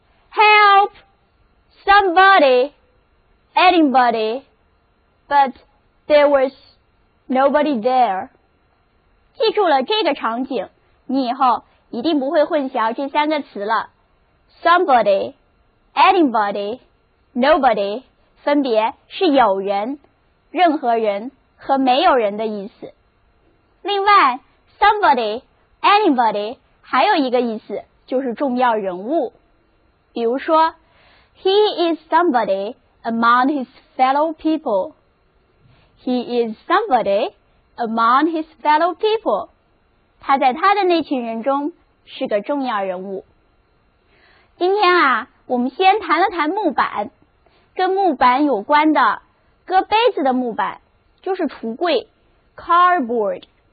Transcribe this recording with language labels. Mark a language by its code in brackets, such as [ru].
[en] Help somebody, anybody, but there was nobody there. [zh] 记住了这个场景，你以后一定不会混淆这三个词了。 [en] Somebody, anybody, nobody, [zh] 分别是有人、任何人和没有人的意思。另外 ,somebody, anybody, 还有一个意思就是重要人物。比如说 [en] ,He is somebody among his fellow people. He is somebody among his fellow people. [zh] 他在他的那群人中是个重要人物。今天啊我们先谈了谈木板。跟木板有关的搁杯子的木板就是橱柜 ,cardboard。